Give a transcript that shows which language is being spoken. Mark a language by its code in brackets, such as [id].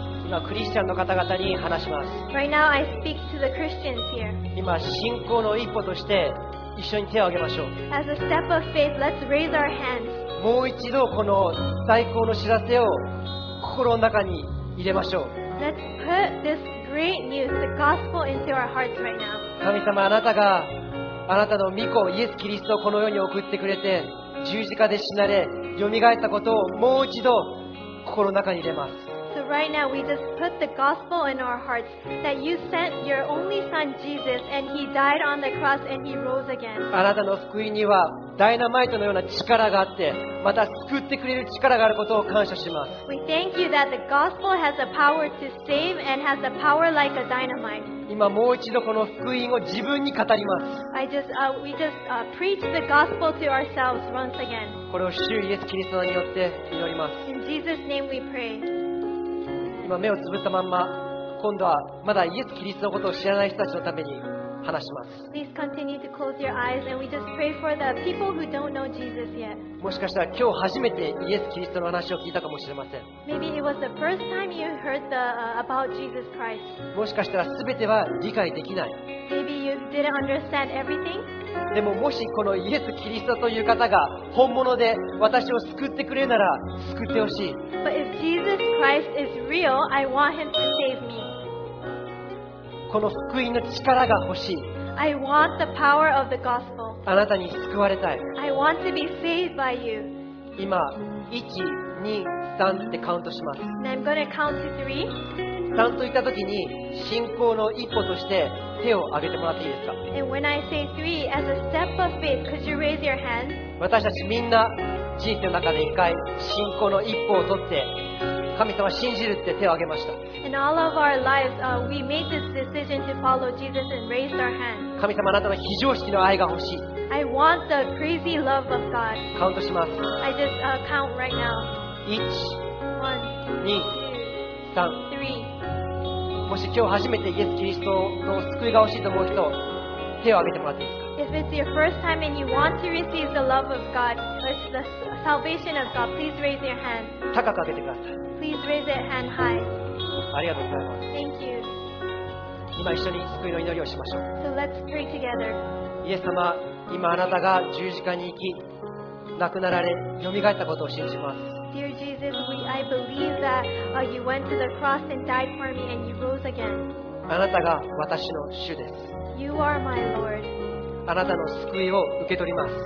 [ja] 今クリスチャンの方々に話します。 [en] Right now I speak to the Christians here. [ja] 今信仰の一歩として一緒に手を挙げましょう。 [en] As a step of faith, let's raise our hands. [ja] もう一度この大光の知らせを心の中に入れましょう。 [en] Let's put this great news, the gospel, into our hearts right now. [ja] 神様、あなたがあなたの御子イエス・キリストをこの世に送ってくれて十字架で死なれ蘇ったことをもう一度心の中に入れます。 [en] So right now we just put the gospel in our hearts that you sent your only son Jesus and he died on the cross and he rose again. [ja] あなたの救いにはダイナマイトのような力があってまた救ってくれる力があることを感謝します。 [en] We thank you that the gospel has the power to save and has the power like a dynamite. [ja] 今もう一度この福音を自分に語ります。 [en] We just preach the gospel to ourselves once again. [ja] これを主イエスキリストによって祈ります。 [en] In Jesus' name we pray. [ja] 今目をつぶったまんま今度はまだイエスキリストのことを知らない人たちのために話します。 [en] Please continue to close your eyes and we just pray for the people who don't know Jesus yet. [ja] もしかしたら今日初めてイエス・キリストの話を聞いたかもしれません。 [en] Maybe it was the first time you heard about Jesus Christ. [ja] もしかしたら全ては理解できない。 [en] Maybe you didn't understand everything. [ja] でももしこのイエス・キリストという方が本物で私を救ってくれなら救ってほしい。 [en] But if Jesus Christ is real, I want him to save me. [ja] この福音の力が欲しい。 [en] I want the power of the gospel. [ja] あなたに救われたい。 [en] I want to be saved by you. [ja] 今、1、2、3ってカウントします。 [en] I'm going to count to 3. [ja] 3といったときに、信仰の一歩として手を挙げてもらっていいですか。 [en] And when I say 3, as a step of faith, could you raise your hand? [ja] 私たちみんな、人生の中で一回、信仰の一歩を取って、神様信じるって手を挙げました。 [en] In all of our lives, we made this decision to follow Jesus and raised our hand. [ja] 神様、あなたの非常識の愛が欲しい。 [en] I want the crazy love of God. [ja] カウントします。 [en] I just count right now. 1, 2, 3. [ja] もし今日初めてイエス・キリストの救いが欲しいと思う人、手を挙げてもらっていいですか。 [en] If it's your first time and you want to receive the love of God, which is the salvation of God, please raise your hand. [ja] 高く挙げてください。 [en] Please raise it hand high. [ja] ありがとうございます。 [en] Thank you. [ja] 今一緒に救いの祈りをしましょう。 [en] So let's pray together. [ja] イエス様、今あなたが十字架に行き、亡くなられ、蘇ったことを信じます。 [en] Dear Jesus, I believe that you went to the cross and died for me and you rose again. [ja] あなたが私の主です。 [en] You are my Lord. [ja] あなたの救いを受け取ります。